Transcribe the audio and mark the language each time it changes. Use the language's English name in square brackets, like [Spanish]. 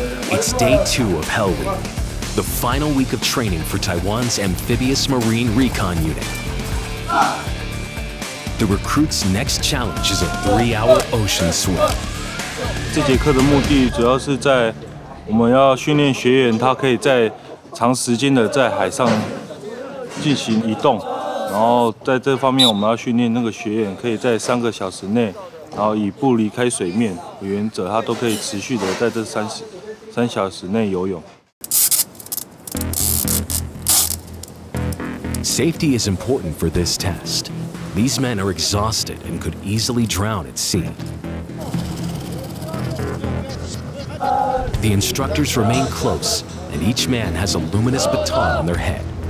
[English] It's day two of Hell Week, the final week of training for Taiwan's Amphibious Marine Recon Unit. The recruit's next challenge is a 3-hour ocean swim. [Chinese] 这节课的目的主要是在我们要训练学员，他可以在长时间的在海上进行移动，然后在这方面，我们要训练那个学员可以在3个小时内，然后以不离开水面，委员者他都可以持续的在这三小时内游泳。 [English] Safety is important for this test. These men are exhausted and could easily drown at sea. moment. The instructors remain close, and each man has a luminous baton on their head.